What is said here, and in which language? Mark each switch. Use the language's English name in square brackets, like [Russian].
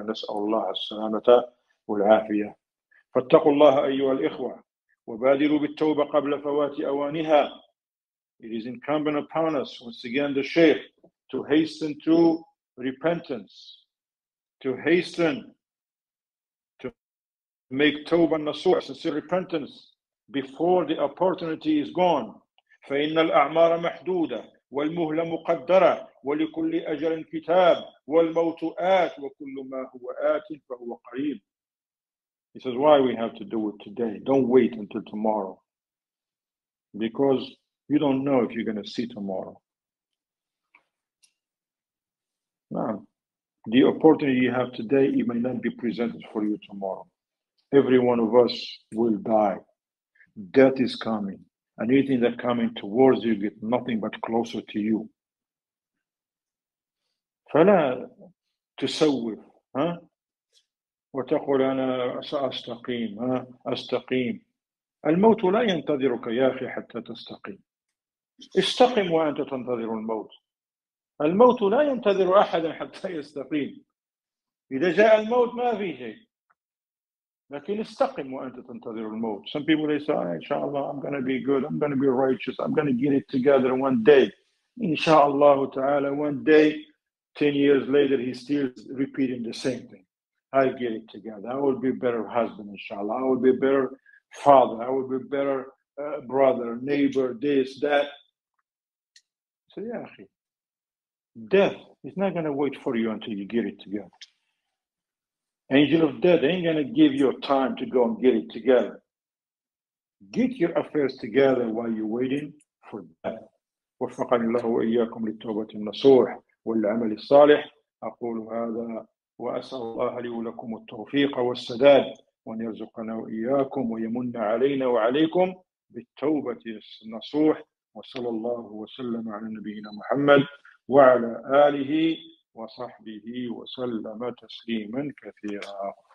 [English] And that's [Arabic] Allah as-salamata wal-afiyah. فَاتَّقُوا اللَّهَ أَيُّهَا الْإِخْوَةِ وَبَادِرُوا بِالتَّوْبَةِ قَبْلَ فَوَاتِ أَوَانِهَا. [English] It is incumbent upon us, once again the Shaykh, to hasten to repentance, to hasten to make tawbah nasuha, sincere repentance, before the opportunity is gone. [Arabic] فَإِنَّ الْأَعْمَارَ مَحْدُودَةً والمهلة مقدرة ولكل أجر كتاب والموت آت وكل ما هو آت فهو قريب. [English] He says, why we have to do it today? Don't wait until tomorrow. Because you don't know if you're going to see tomorrow. Now, the opportunity you have today, it may not be presented for you tomorrow. Every one of us will die. Death is coming. And anything that coming towards you get nothing but closer to you. [Arabic] فَلَا تُسَوِّفْ وَتَقُلْ أَنَا سَأَسْتَقِيمْ أَسْتَقِيمْ الْمَوْتُ لَا يَنْتَذِرُكَ يَا أَخِي حَتَّى تَسْتَقِيمْ. استقم وأنت تنتظر الموت. الموت لا ينتظر أحدا حتى يستقيم. إذا جاء الموت ما في شيء. لكن استقم وأنت تنتظر الموت. [English] Some people they say, إن شاء الله I'm going to be good, I'm going to be righteous, I'm going to get it together one day. إن شاء الله تعالى one day, 10 years later he's still repeating the same thing. I'll get it together, I will be a better husband, إن شاء الله, I will be a better father, I will be a better brother, neighbor, this, that. So [Arabic] يا أخي, [English] death is not going to wait for you until you get it together. Angel of death ain't going to give you time to go and get it together. Get your affairs together while you're waiting for death. [Arabic] وفقني الله وإياكم للتوبة النصوح والعمل الصالح. أقول هذا وأسأل الله لي ولكم التوفيق والسداد وأن يرزقنا وإياكم ويمن علينا وعليكم بالتوبة النصوح. وصلى الله وسلم على نبينا محمد وعلى آله وصحبه وسلم تسليما كثيرا.